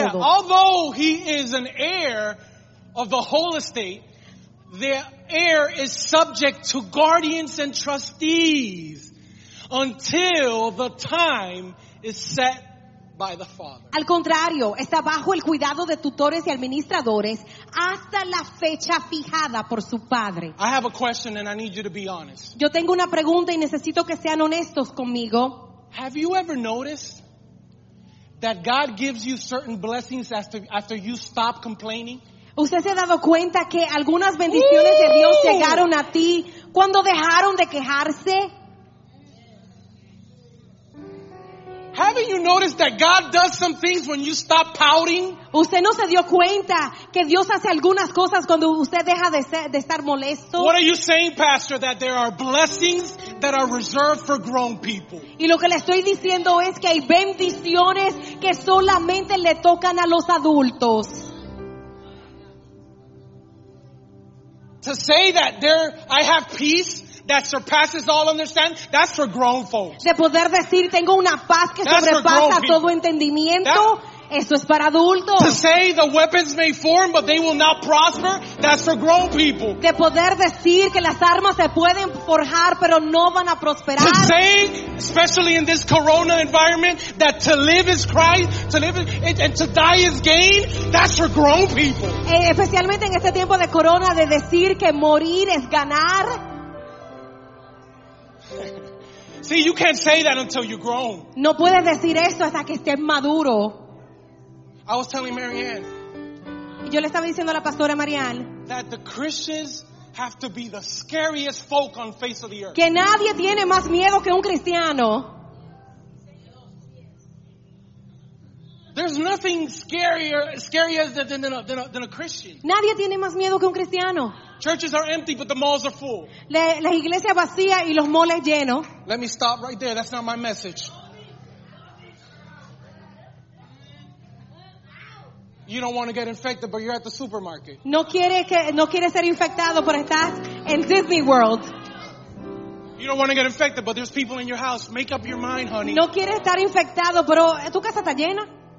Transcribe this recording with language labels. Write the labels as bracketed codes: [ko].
[en] Yeah, although he is an heir of the whole estate, the heir is subject to guardians and trustees until the time is set by the father. [es] Al contrario, está bajo el cuidado de tutores y administradores hasta la fecha fijada por su padre. [en] I have a question and I need you to be honest. [es] Yo tengo una pregunta y necesito que sean honestos conmigo. [en] Have you ever noticed that God gives you certain blessings after you stop complaining? [es] ¿Usted se ha dado cuenta que algunas bendiciones de Dios llegaron a ti cuando dejaron de quejarse? [en] Haven't you noticed that God does some things when you stop pouting? [es] ¿Usted no se dio cuenta que Dios hace algunas cosas cuando usted deja de estar molesto? [en] What are you saying, Pastor, that there are blessings that are reserved for grown people? [es] Y lo que le estoy diciendo es que hay bendiciones que solamente le tocan a los adultos. [en] To say that I have peace that surpasses all understanding, that's for grown folks. [es] De poder decir tengo una paz que sobrepasa todo entendimiento, eso es para adultos. [en] To say the weapons may form but they will not prosper, that's for grown people. [es] De poder decir que las armas se pueden forjar pero no van a prosperar. [en] To say, especially in this corona environment, that to live is Christ, to live and to die is gain, that's for grown people. [es] Especialmente en este tiempo de corona, de decir que morir es ganar. [en] See, you can't say that until you're grown. [es] No puedes decir eso hasta que estés maduro. [en] I was telling Marianne. [es] Y yo le estaba diciendo a la pastora Marianne [en] that the Christians have to be the scariest folk on face of the earth. [es] Que nadie tiene más miedo que un cristiano. [en] There's nothing scarier than a Christian. [es] Nadie tiene más miedo que un cristiano. [en] Churches are empty, but the malls are full. [es] La iglesia vacía y los malls llenos. [en] Let me stop right there. That's not my message. You don't want to get infected, but you're at the supermarket. [es] No quiere ser infectado, pero estás en Disney World. [en] You don't want to get infected, but there's people in your house. Make up your mind, honey. [es] No quiere estar infectado, pero tu casa está llena.